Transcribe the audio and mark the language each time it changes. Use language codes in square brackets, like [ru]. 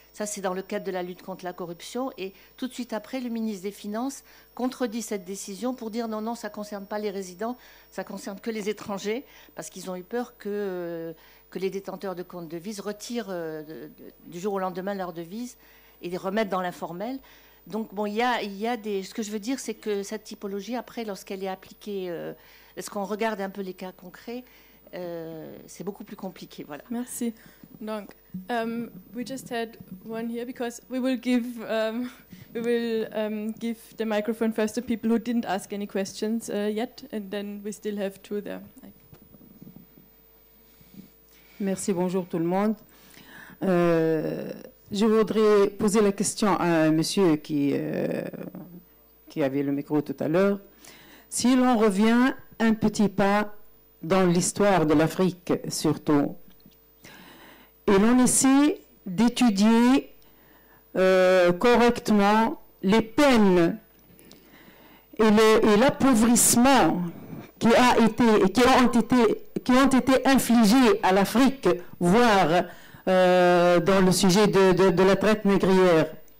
[fr] Ça, c'est dans le cadre de la lutte contre la corruption. Et tout de suite après, le ministre des Finances contredit cette décision pour dire non, ça ne concerne pas les résidents, ça concerne que les étrangers, parce qu'ils ont eu peur que les détenteurs de comptes de devises retirent du jour au lendemain leurs devises et les remettent dans l'informel. Donc, bon, il y a des... Ce que je veux dire, c'est que cette typologie, après, lorsqu'elle est appliquée, lorsqu'on regarde un peu les cas concrets, C'est beaucoup plus compliqué, voilà. Merci. [en] Donc, we just had one here because we will give give the microphone first to people who didn't ask any questions yet, and then we still have two there. [fr] Merci, bonjour tout le monde. Je voudrais poser la question à un monsieur qui avait le micro tout à l'heure. Si l'on revient un petit pas dans l'histoire de l'Afrique, surtout, et l'on essaie d'étudier correctement les peines et l'appauvrissement qui ont été infligés à l'Afrique, voire dans le sujet de la traite négrière.